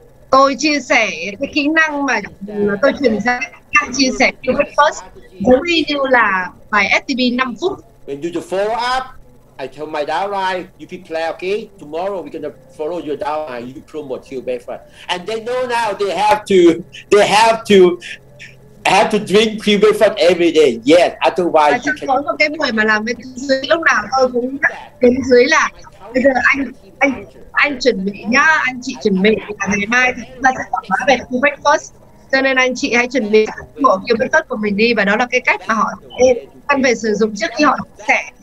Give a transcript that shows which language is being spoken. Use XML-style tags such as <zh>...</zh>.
<vi>Tôi chia sẻ cái kỹ năng mà tôi truyền ra, các chia sẻ Q-Breakfast cũng như là bài STB 5 phút.</vi> <en>When you do follow up, I tell my downline, you prepare, okay? Tomorrow we're gonna follow your downline. You promote your breakfast, and they know now they have to drink your breakfast every day. Yes, otherwise you can't.</en> <vi>Có một cái buổi mà làm bên dưới lúc nào tôi cũng đến dưới là bây giờ anh chuẩn bị nhá, anh chị chuẩn bị là ngày mai chúng ta sẽ quảng bá về your breakfast. Cho nên anh chị hãy chuẩn bị bộ your breakfast của mình đi, và đó là cái cách mà họ cần phải sử dụng trước khi họ sẽ.</vi>